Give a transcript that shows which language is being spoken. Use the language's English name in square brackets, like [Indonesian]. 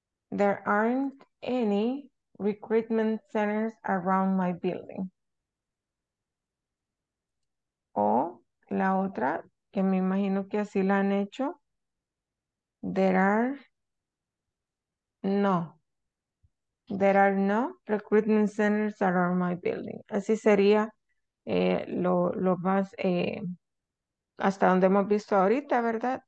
[English] There aren't any recruitment centers around my building. [Spanish] O la otra, que me imagino que así la han hecho. [English] There are no. There are no recruitment centers around my building. [Spanish] Así sería lo más hasta donde hemos visto ahorita, ¿verdad?